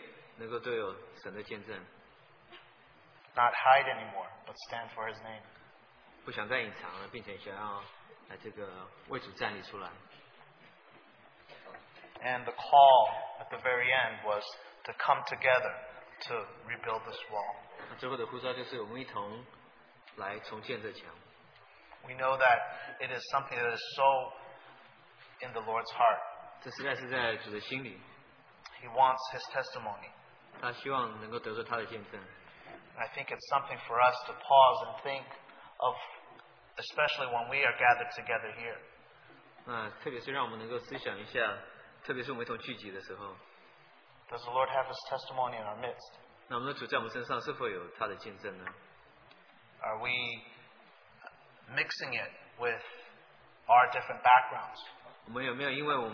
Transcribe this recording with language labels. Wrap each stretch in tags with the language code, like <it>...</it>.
<zh>那就是在这个世界上的一切能够都有神的见证。</zh> <en>Not hide anymore, but stand for His name.</en> <zh>不想再隐藏了，并且想要来这个为主站立出来。</zh> <en>And the call at the very end was to come together to rebuild this wall.</en> <zh>最后的呼召就是我们一同来重建这墙。</zh> <en>We know that it is something that is so in the Lord's heart.</en> <zh>这实在是在主的心里。</zh> <en>He wants his testimony.</en> <zh>他希望能够得到他的见证。</zh> <en>I think it's something for us to pause and think of, especially when we are gathered together here.</en> <zh>那特别是让我们能够思想一下。特别是我们一同聚集的时候,</zh> <en>Does the Lord have His testimony in our midst?</en> <zh>那我们的主在我们身上是否有他的见证呢?</zh> <en>Are we mixing it with our different backgrounds?</en>